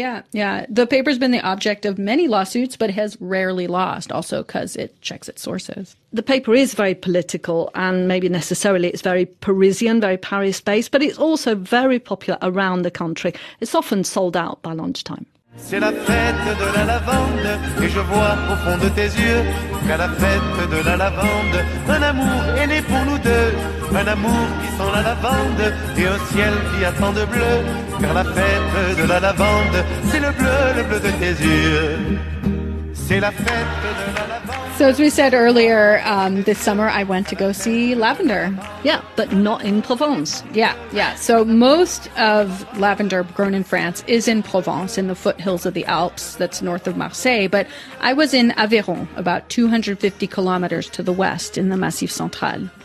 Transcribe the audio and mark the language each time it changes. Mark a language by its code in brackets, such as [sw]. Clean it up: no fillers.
[en] Yeah, yeah. The paper's been the object of many lawsuits, but has rarely lost, also because it checks its sources. The paper is very political, and maybe necessarily it's very Parisian, very Paris-based, but it's also very popular around the country. It's often sold out by lunchtime. [fr] C'est la fête de la lavande, et je vois au fond de tes yeux qu'à la fête de la lavande, un amour est né pour nous deux, un amour qui sent la lavande, et un ciel qui a tant de bleu, car la fête de la lavande, c'est le bleu de tes yeux. C'est la fête de la lavande. [en] So as we said earlier, this summer I went to go see Lavender. Yeah, but not in Provence. Yeah, yeah. So most of Lavender grown in France is in Provence, in the foothills of the Alps, that's north of Marseille. But I was in Aveyron, about 250 kilometers to the west in the Massif Central.